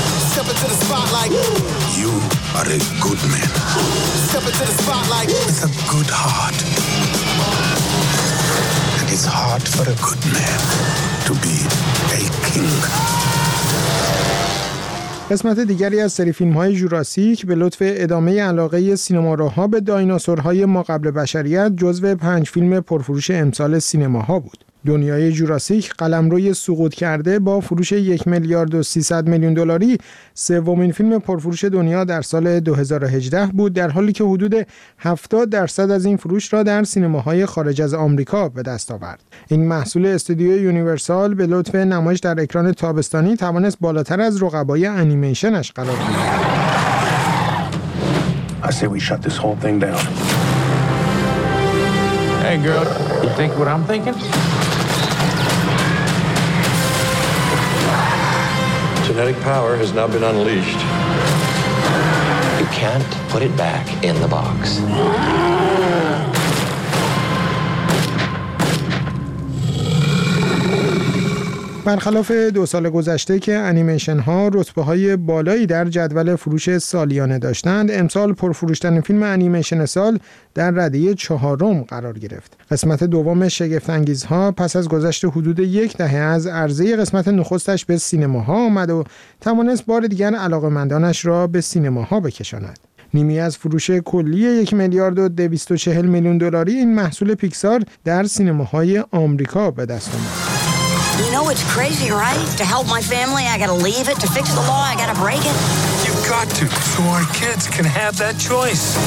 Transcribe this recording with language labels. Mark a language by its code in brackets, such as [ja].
[en] Step into the spotlight. You are a good man. Step into the spotlight. With a good heart. And it's hard for a good man to be a king. [fa] قسمت دیگری از سری فیلم‌های جوراسیک به لطف ادامه علاقه سینماروها به دایناسورهای ماقبل بشریت جزو 5 فیلم پرفروش امسال سینماها بود. دنیای جوراسیک قلمروی سقوط کرده با فروش 1.3 میلیارد دلاری سومین فیلم پرفروش دنیا در سال 2018 بود، در حالی که حدود 70% از این فروش را در سینماهای خارج از آمریکا به دست آورد. این محصول استودیوی یونیورسال به لطف نمایش در اکران تابستانی توانست بالاتر از رقبای انیمیشنش قرار بگیرد. [en] I say we shut this whole thing down. Hey girl, you think what I'm thinking? Genetic power has now been unleashed. You can't put it back in the box. Ah! [fa] برخلاف دو سال گذشته که انیمیشن ها رتبه های بالایی در جدول فروش سالیانه داشتند، امسال پرفروشترین فیلم انیمیشن سال در رده چهارم قرار گرفت. قسمت دوم شگفت انگیز ها پس از گذشت حدود یک دهه از عرضه قسمت نخستش به سینماها آمد و توانست بار دیگر علاقه‌مندانش را به سینماها بکشاند. نیمی از فروش کلی 1,240,000,000 دلاری این محصول پیکسار در سینماهای آمریکا به دست آمد. [en] You know it's crazy, right? To help my family, I gotta leave it. To fix the law, I gotta break it. You've got to, so our kids can have that choice.